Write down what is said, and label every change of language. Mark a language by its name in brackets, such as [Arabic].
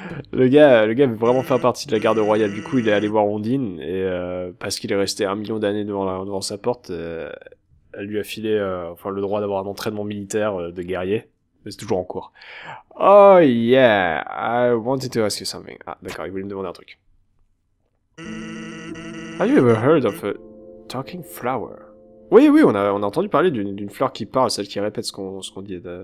[French] Le gars avait vraiment fait partie de la garde royale, du coup il est allé voir Ondine, et parce qu'il est resté un million d'années devant sa porte, elle lui a filé enfin, le droit d'avoir un entraînement militaire de guerrier, mais c'est toujours en cours. [English] Oh yeah, I wanted to ask you something. [French] Ah d'accord, il voulait me demander un truc. [English] Have you ever heard of a talking flower? [French] Oui, on a entendu parler d'une fleur qui parle, celle qui répète ce qu'on dit.